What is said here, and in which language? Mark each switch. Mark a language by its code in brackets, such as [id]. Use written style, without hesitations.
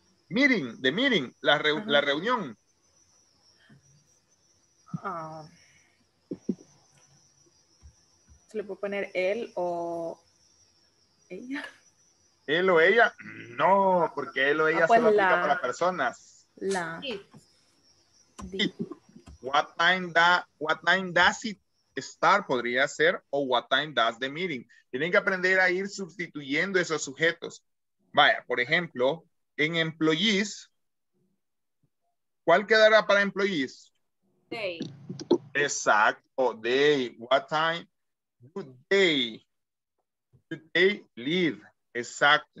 [en] Meeting, the meeting, [es] la reunión. ¿Se le puede poner él o ella? ¿Él o ella? No, porque él o ella solo aplica para personas. La. [en] What time does it start [es] podría ser, o [en] what time does the meeting. [es] Tienen que aprender a ir sustituyendo esos sujetos. Vaya, por ejemplo, en employees, ¿cuál quedará para employees? [en] Day. Exacto, day. What time do they leave? Exacto.